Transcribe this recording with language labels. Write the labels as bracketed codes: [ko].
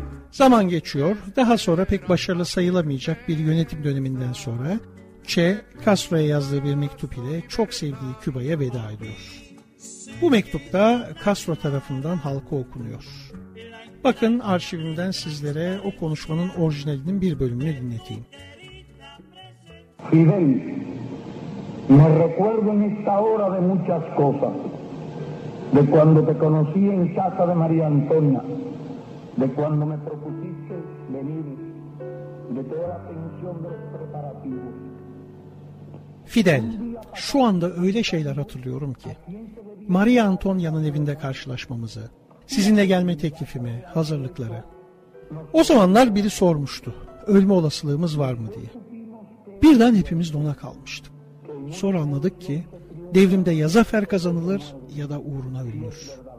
[tr] Zaman geçiyor. Daha sonra pek başarılı sayılamayacak bir yönetim döneminden sonra Che, Castro'ya yazdığı bir mektup ile çok sevdiği Küba'ya veda ediyor. Bu mektupta Castro tarafından halka okunuyor. Bakın arşivimden sizlere o konuşmanın orijinalinin bir bölümünü dinleteyim. [es] Fidel, me recuerdo en esta hora de muchas cosas, de cuando te conocí en casa de María Antonia, de cuando me propusiste venir, de toda la tensión de los preparativos. [tr] Fidel, şu anda öyle şeyler hatırlıyorum ki. Maria Antonia'nın evinde karşılaşmamızı, sizinle gelme teklifimi, hazırlıkları. O zamanlar biri sormuştu, ölme olasılığımız var mı diye. Birden hepimiz dona kalmıştık. Sonra anladık ki, devrimde ya zafer kazanılır ya da uğruna ölünür.